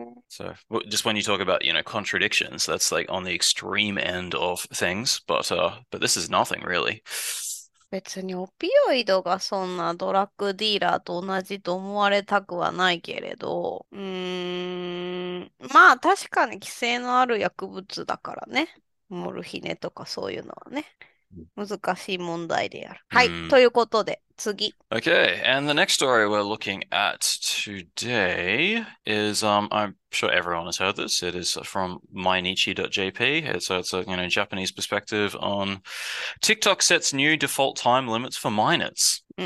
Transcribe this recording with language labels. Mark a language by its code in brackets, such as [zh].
[en] So just when you talk about, you know, contradictions, that's like on the extreme end of things. But this is nothing really. [ja] 別にオピオイドがそんなドラッグディーラーと同じと思われたくはないけれど、まあ確かに規制のある薬物だからね。モルヒネとかそういうのはね。難しい問題である。はい、ということで、次。 [en] Okay, and the next story we're looking at today is, I'm sure everyone has heard this, it is from mainichi.jp, so it's a, you know, Japanese perspective on TikTok sets new default time limits for minors.